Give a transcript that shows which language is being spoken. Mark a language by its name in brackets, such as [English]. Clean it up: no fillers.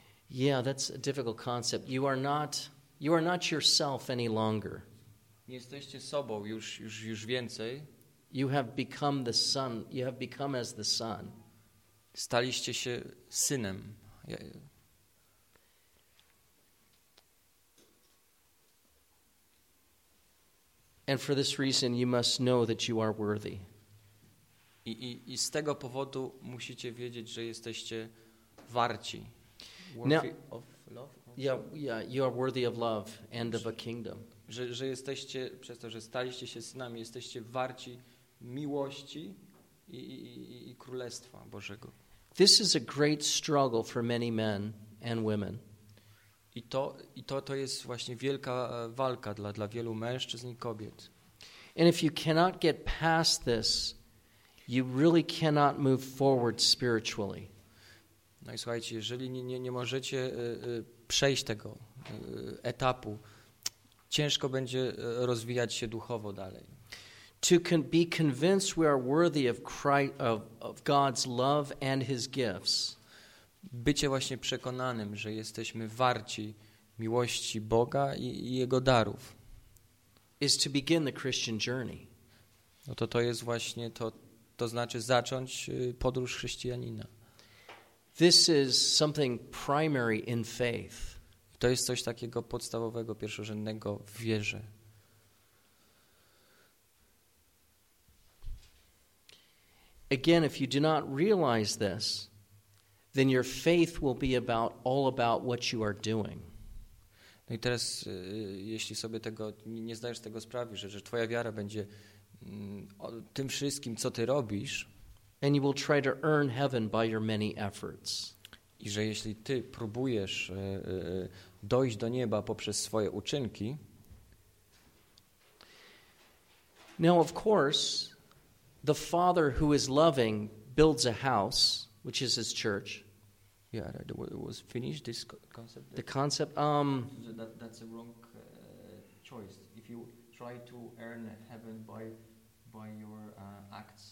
[English] Yeah, that's a difficult concept. You are not yourself any longer. [Polish] Nie jesteście sobą już więcej. [English] You have become the son. You have become as the son. [Polish] Staliście się synem. [English] And for this reason you must know that you are worthy. [Polish] I z tego powodu musicie wiedzieć, że jesteście warci. [English] Worthy now, of love. Yeah, you are worthy of love and of a kingdom. [Polish] Że jesteście przez to, że staliście się synami, jesteście warci miłości i królestwa Bożego. [English] This is a great struggle for many men and women. [Polish] I to jest właśnie wielka walka dla wielu mężczyzn i kobiet. [English] And if you cannot get past this, you really cannot move forward spiritually. [Polish] No i słuchajcie, jeżeli nie możecie przejść tego etapu, ciężko będzie rozwijać się duchowo dalej. [English] To be convinced we are worthy of Christ, of God's love and his gifts. [Polish] Bycie właśnie przekonanym, że jesteśmy warci miłości Boga i jego darów. [English] Is to begin the Christian journey. [Polish] No to jest właśnie to znaczy zacząć podróż chrześcijanina. [English] This is something primary in faith. [Polish] To jest coś takiego podstawowego, pierwszorzędnego w wierze. [English] Again, if you do not realize this, then your faith will be about all about what you are doing. [Polish] No i teraz, jeśli sobie tego nie zdajesz tego sprawy, że twoja wiara będzie tym wszystkim, co ty robisz, [English] and you will try to earn heaven by your many efforts. [Polish] I że jeśli ty próbujesz dojść do nieba poprzez swoje uczynki. [English] Now, of course, the father who is loving builds a house, which is his church. Yeah, it was finished, this concept. The concept, That's a wrong choice. If you try to earn heaven by your acts.